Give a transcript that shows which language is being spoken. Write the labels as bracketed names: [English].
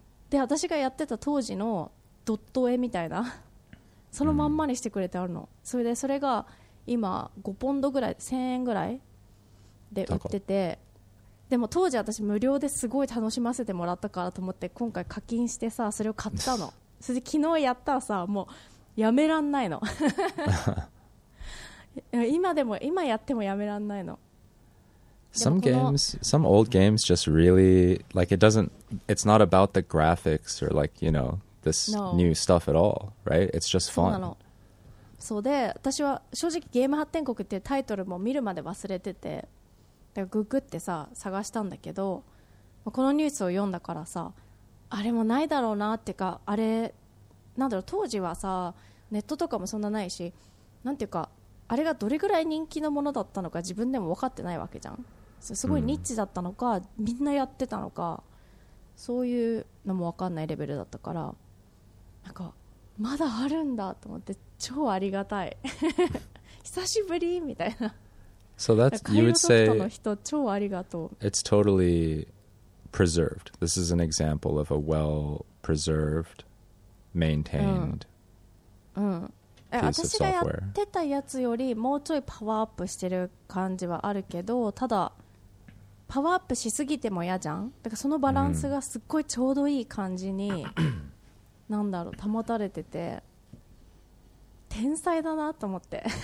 [Japanese] で私がやってた当時のドット絵みたいなそのまんまにしてくれてあるの、うん、それでそれが今5ポンドぐらい1000円ぐらいで売ってて、でも当時私無料ですごい楽しませてもらったからと思って今回課金してさ、それを買ったの。それで昨日やったらさ、もうやめらんないの今でも今やってもやめらんないの。 [English] Some games, some old games just really like it doesn't, it's not about the graphics or like you know this new stuff at all, right? It's just fun. [Japanese] そうで、私は正直ゲーム発展国っていうタイトルも見るまで忘れてて、だからググってさ探したんだけど、このニュースを読んだからさ、あれもないだろうなっていうか、あれなんだろう、当時はさネットとかもそんなないし、なんていうかあれがどれぐらい人気のものだったのか自分でも分かってないわけじゃん。すごいニッチだったのか、うん、みんなやってたのか、そういうのも分かんないレベルだったから、なんかまだあるんだと思って超ありがたい久しぶりみたいな。 [English] So that's, you would say, [Japanese] カイロソフトの人超ありがとう。 [English] It's totally preserved. This is an example of a well preserved, maintained、 [Japanese] うん私がやってたやつよりもうちょいパワーアップしてる感じはあるけど、ただパワーアップしすぎても嫌じゃん。だからそのバランスがすっごいちょうどいい感じに、うん、なんだろう、保たれてて天才だなと思って